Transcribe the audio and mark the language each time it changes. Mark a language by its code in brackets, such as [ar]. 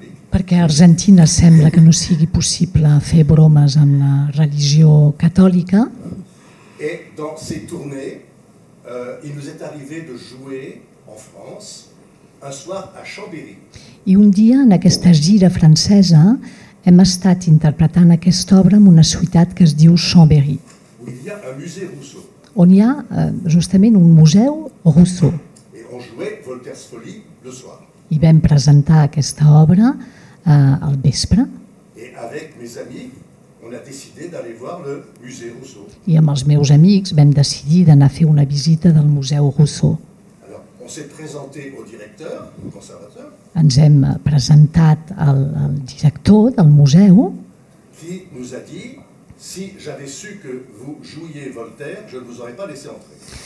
[ca] Perquè a Argentina sembla que no sigui possible fer bromes amb la religió catòlica. [fr] Et dans ces tournées, il nous est arrivé de jouer en France un soir à Chambéry. [ca] I un dia en aquesta gira francesa hem estat interpretant aquesta obra en una ciutat que es diu Chambéry. [fr] Où il y a un musée Rousseau. [ca] On hi ha justament un museu Rousseau. [fr] Et on jouait Voltaire's Folly le soir. [ca] I vam presentar aquesta obra al vespre. [fr] Et avec mes amis, on a décidé d'aller voir le musée Rousseau. [ca] I amb els meus amics vam decidir d'anar a fer una visita del museu Rousseau. [fr] Alors, on s'est présenté au directeur, au conservateur. [ca] Ens hem presentat al director del museu. [fr] Qui nous a dit, si j'avais su que vous jouiez Voltaire, je ne vous aurais pas laissé entrer.